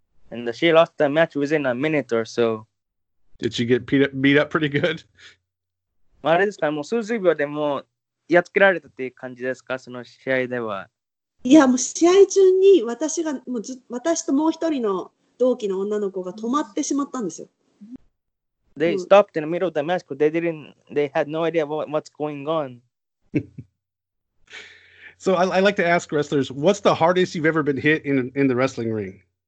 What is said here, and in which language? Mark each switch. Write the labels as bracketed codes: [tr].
[en] And she lost that match within a minute or so. Did she get beat up pretty good? [ja] あれですか?もう数十秒でもやっつけられたっていう感じですか?その試合では。いや、もう試合中に私ともう一人の同期の女の子が止まってしまったんですよ。 [en] They stopped in the middle of the match because they had no idea what's going on. So I like to ask wrestlers, what's the hardest you've ever been hit in the wrestling ring?